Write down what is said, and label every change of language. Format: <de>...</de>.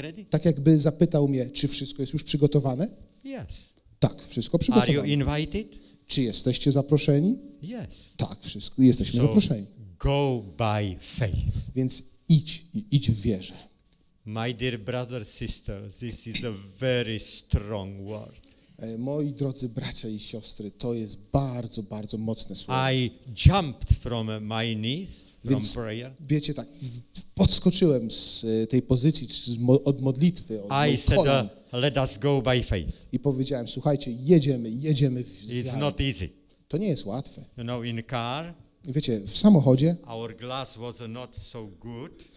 <pl>Tak jakby zapytał mnie, czy wszystko jest już przygotowane?</pl> <en>Yes.</en> <pl>Tak, wszystko przygotowane.</pl> <en>Are you invited?</en> <pl>Czy jesteście zaproszeni?</pl> <en>Yes.</en> <pl>Tak, wszystko, jesteśmy zaproszeni.</pl> <en>Go by faith.</en> <pl>Więc idź w wierze.</pl> <en>My dear brother, sister, this is a very strong word.</en> <pl>Moi drodzy bracia i siostry, to jest bardzo, bardzo mocne słowo.</pl> <en>I jumped from my knees from prayer.</en> <pl>Wiecie tak, podskoczyłem z tej pozycji, od modlitwy, od</pl> <en>I said,</en> <pl>kolan.</pl> <en>Let us go by faith.</en> <pl>I powiedziałem: słuchajcie, jedziemy w</pl> <en>wiarę. It's not easy.</en> <pl>To nie jest łatwe.</pl> <en>You know, in car.</en> <pl>Wiecie, w samochodzie.</pl> <en>Our glass was not so good.</en>